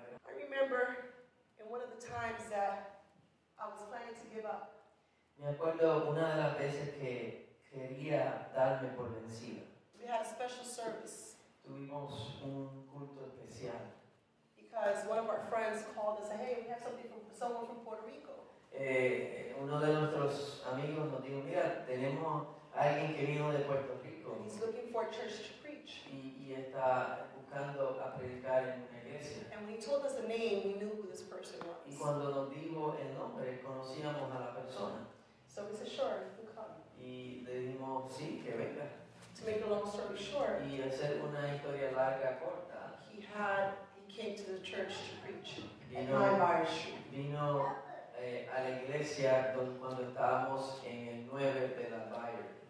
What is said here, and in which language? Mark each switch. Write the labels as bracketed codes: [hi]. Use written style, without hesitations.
[en] I remember in one of the times that I was planning to give up. [es] Me acuerdo una de las veces que quería darme por vencida. [en] We had a special service. [es] Tuvimos un culto especial. [en] Because one of our friends called and said, "Hey, we have something from someone from Puerto Rico." [es] uno de nuestros amigos nos dijo, mira, tenemos alguien que vino de Puerto Rico. [en] He's looking for a church to preach. [es] Y está buscando a predicar en una iglesia. [en] And when he told us the name, we knew who this person was. [es] Y cuando nos dijo el nombre, conocíamos a la persona. [en] So we said, sure, you come. [es] Y le dijimos, sí, que venga. [en] To make a long story short, [es] y hacer una historia larga, corta, [en] he came to the church to preach. [es] Vino a la iglesia cuando estábamos en el 9 de la Bayer.